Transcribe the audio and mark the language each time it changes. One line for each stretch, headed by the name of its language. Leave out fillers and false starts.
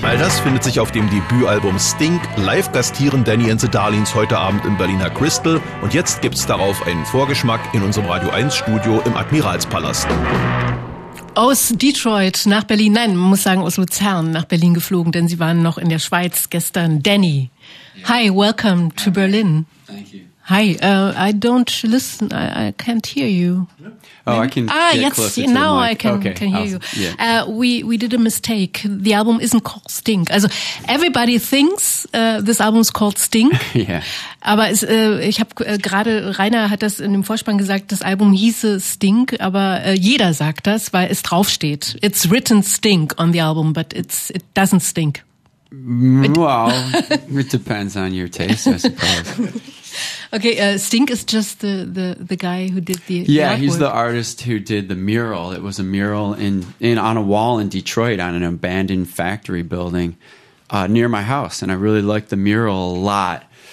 German: All das findet sich auf dem Debütalbum Stink. Live gastieren Danny and the Darlings heute Abend im Berliner Crystal. Und jetzt gibt's darauf einen Vorgeschmack in unserem Radio 1-Studio im Admiralspalast. Aus Detroit nach Berlin, nein, man muss sagen aus Luzern nach Berlin geflogen, denn sie waren noch in der Schweiz gestern.
English: Danny, yeah. Hi, welcome to Berlin. Thank you. Hi, I don't listen, I can't hear you. Oh, I can. Ah, yes, now I can, okay. Can hear awesome. You. We did a mistake. The album isn't called Stink. Also everybody thinks this album is called Stink. Yeah.
German: Aber es, ich habe gerade, Rainer hat das in dem Vorspann gesagt, das Album hieße Stink, aber jeder sagt das, weil es draufsteht.
English: It's written Stink on the album, but it doesn't stink. Well, it depends on your taste, I suppose. Okay, Stink is just the guy who did the artwork. Yeah, he's the artist who did the mural. It was a mural in on a wall in Detroit on an abandoned factory building near my house, and I really liked the mural a lot.